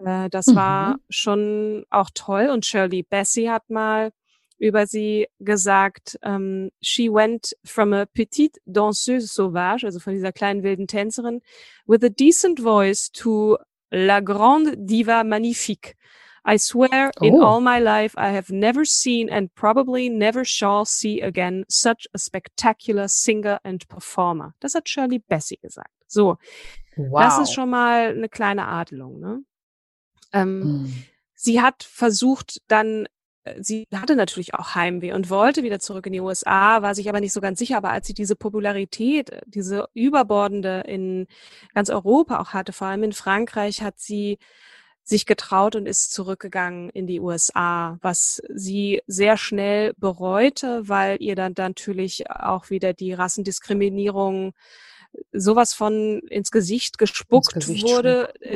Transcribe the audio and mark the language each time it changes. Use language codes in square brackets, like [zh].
[de] Das war schon auch toll, und Shirley Bassey hat mal über sie gesagt, [en] she went from a petite danseuse sauvage, [de] also von dieser kleinen wilden Tänzerin, [en] with a decent voice to la grande diva magnifique. I swear, in all my life, I have never seen and probably never shall see again such a spectacular singer and performer. [de] Das hat Shirley Bassey gesagt. So, Das ist schon mal eine kleine Adelung. Ne? Sie hat versucht, sie hatte natürlich auch Heimweh und wollte wieder zurück in die USA, war sich aber nicht so ganz sicher. Aber als sie diese Popularität, diese überbordende in ganz Europa auch hatte, vor allem in Frankreich, hat sie sich getraut und ist zurückgegangen in die USA, was sie sehr schnell bereute, weil ihr dann natürlich auch wieder die Rassendiskriminierung sowas von ins Gesicht gespuckt wurde.